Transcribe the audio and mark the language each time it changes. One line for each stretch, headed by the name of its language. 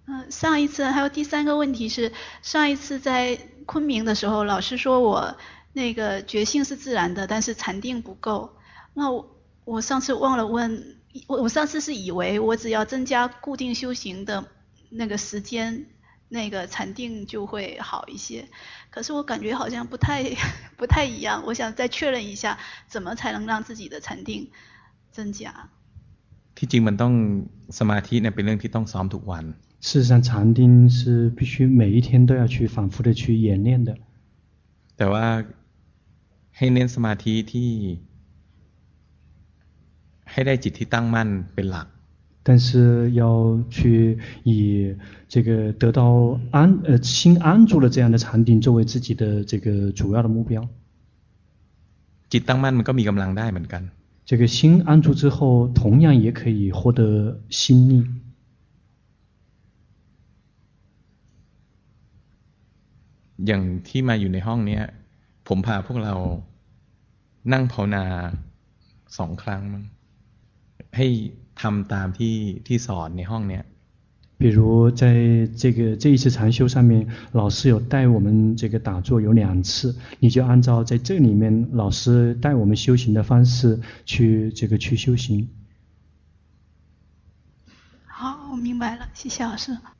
Chinese: 上一次还有第三个问题是上一次在昆明的时候老师说我那个觉性是自然的但是禅定不够那 我上次忘了问 我上次是以为我只要增加固定修行的那个时间那个禅定就会好一些可是我感觉好像不太一样我想再确认一下怎么才能让自己的禅定增加
Thai: ที่จริงมันต้องสมาธิเนี่ยเป็นเรื่องที่ต้องซ้อมทุกวัน
Chinese: 事实上禅定是必须每一天都要去反复的去演练的
Thai: แต่ว่าให้เน้นสมาธิที่ให้ได้จิตที่ตั้งมั่นเป็นหลัก
Chinese: 但是要去以这个得到心安住了这样的禅定作为自己的这个主要的目标
Thai: จิตตั้งมั่นมันก็มีกำลังได้เหมือนกัน
Chinese: 这个心安住之后同样也可以获得心力
Thai: อย่างที่มาอยู่ในห้องนี้ผมพาพวกเรานั่งภาวนาสองครั้งให้ทำตามที่สอนในห้องนี้
Chinese: 比如在这一次禅修上面老师有带我们这个打坐有两次你就按照在这里面老师带我们修行的方式去这个去修行好我明白了谢谢老师